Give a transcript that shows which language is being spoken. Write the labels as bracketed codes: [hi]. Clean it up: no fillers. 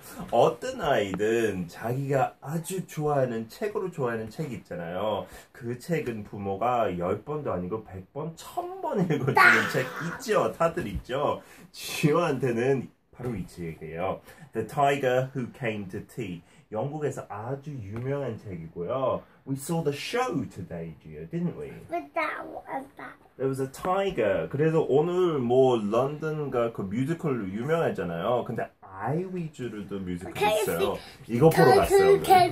[ko] 어떤 아이든 자기가 아주 좋아하는 책으로 좋아하는 책이 있잖아요. 그 책은 부모가 10번도 아니고 100번, 1000번 읽어주는 책 있죠. 다들 있죠. 지오한테는 바로 이 책이에요. [en] The Tiger Who Came to Tea. [ko] 영국에서 아주 유명한 책이고요. [en] We saw the show today, Gio, didn't we? But that was that. There was a tiger. [ko] 그래서 오늘 뭐 런던과 그 뮤지컬로 유명하잖아요. 근데 아이 위주로도 뮤지컬 있어요. 이거 보러 갔어요.